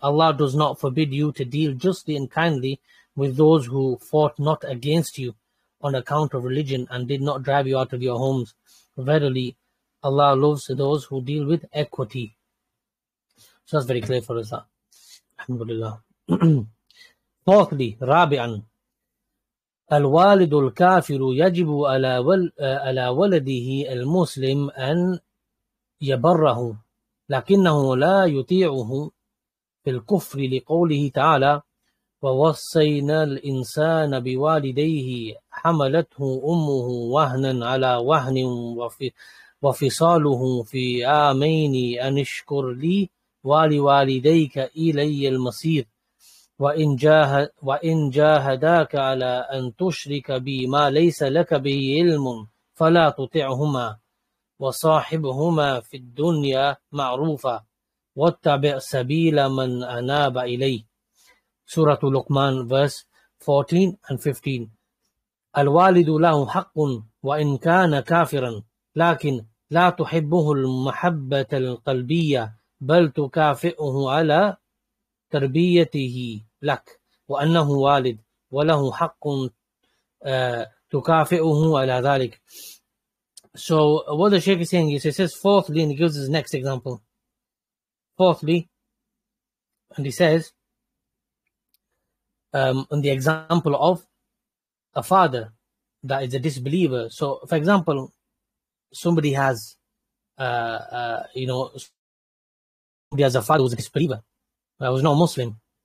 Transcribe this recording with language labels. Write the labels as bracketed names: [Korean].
[English] Allah does not forbid you to deal justly and kindly with those who fought not against you on account of religion and did not drive you out of your homes. Verily, Allah loves those who deal with equity. So that's very clear for us. Alhamdulillah. Fourthly, Rabi'an. [Arabic] الوالد الكافر يجب على ولده المسلم أن يبره لكنه لا يطيعه في الكفر لقوله تعالى ووصينا الإنسان بوالديه حملته أمه وهنا على وهن وفصاله في عامين أن اشكر لي ولوالديك إلي المصير وإن جاهداك على أن تشرك بي ما ليس لك به علم فلا تطعهما وصاحبهما في الدنيا معروفا واتبع سبيل من أناب إليه. [English] سورة لقمان verse 14 and 15. [Arabic] الوالد له حق وإن كان كافرا لكن لا تحبه المحبة القلبية بل تكافئه على تربيته لك وأنه والد وله حق تكافئه على ذلك. [English] So what the Shaykh is saying is, he says, fourthly, and he gives his next example. Fourthly, and he says, in the example of a father that is a disbeliever. So, for example, somebody has, somebody has a father who's a disbeliever, who is not Muslim.